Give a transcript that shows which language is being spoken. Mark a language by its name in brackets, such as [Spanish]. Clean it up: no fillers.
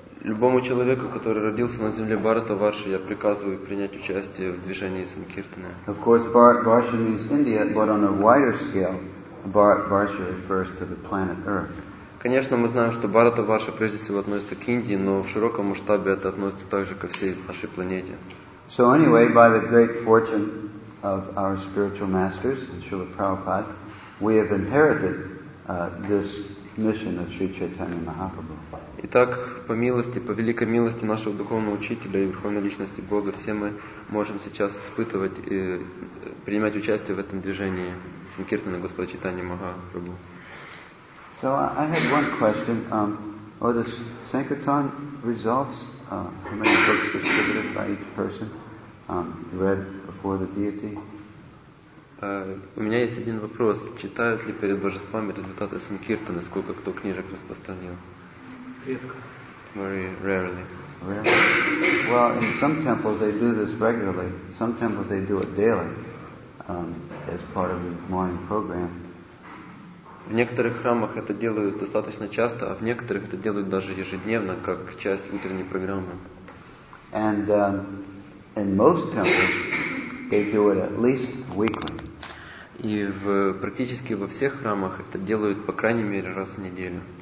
[Russian] Любому человеку, который родился на земле Бхарата Варши, я приказываю принять участие в движении Санкиртаны. [English] Of course, Bharat Varsha means India, but on a wider scale, Bharat Varsha refers to the planet Earth. [Russian] Конечно, мы знаем, что Бхарата Варша прежде всего относится к Индии, но в широком масштабе это относится также ко всей нашей планете. [English] So anyway, by the great fortune of our spiritual masters, Srila Prabhupada, we have inherited this mission of Sri Chaitanya Mahaprabhu. [Russian] Итак, по милости, по великой милости нашего духовного учителя и верховной личности Бога, все мы можем сейчас испытывать и принимать участие в этом движении Санкиртана Господа Чайтаньи Махапрабху. [English] So I had one question. Are the Sankirtan results, how many books distributed by each person, read before the deity? [Russian] У меня есть один вопрос. Читают ли перед божествами результаты Санкиртаны, сколько кто книжек распространил? Редко. [English] Very rarely. Well, in some temples they do this regularly. Some temples they do it daily, as part of the morning program. [Russian] В некоторых храмах это делают достаточно часто, а в некоторых это делают даже ежедневно, как часть утренней программы. And in most temples they do it at least weekly. И в практически во всех храмах это делают по крайней мере раз в неделю.